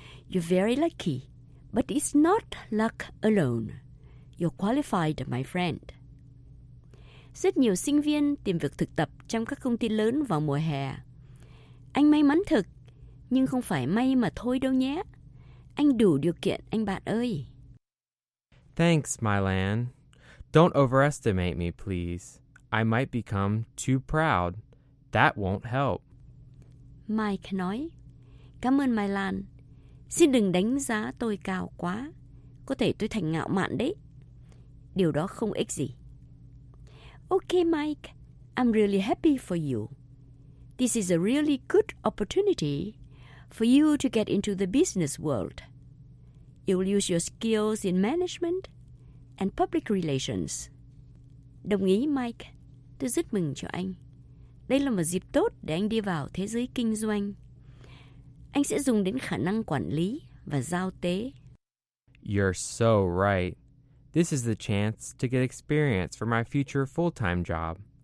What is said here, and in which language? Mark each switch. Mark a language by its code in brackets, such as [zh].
[en] You're very lucky, but it's not luck alone. You're qualified, my friend. [vi] Rất nhiều sinh viên tìm việc thực tập trong các công ty lớn vào mùa hè. Anh may mắn thực, nhưng không phải may mà thôi đâu nhé. Anh đủ điều kiện, anh bạn ơi. [en] Thanks, Mai Lan. Don't overestimate me, please. I might become too proud. That won't help. [vi] Mike nói, cảm ơn Mai Lan. Xin đừng đánh giá tôi cao quá. Có thể tôi thành ngạo mạn đấy. Điều đó không ích gì. [en] Okay, Mike. I'm really happy for you. This is a really good opportunity for you to get into the business world. You'll use your skills in management and public relations. [vi] Đồng ý, Mike. Tôi rất mừng cho anh. Đây là một dịp tốt để anh đi vào thế giới kinh doanh. Anh sẽ dùng đến khả năng quản lý và giao tế. [en] You're so right. This is the chance to get experience for my future full-time job.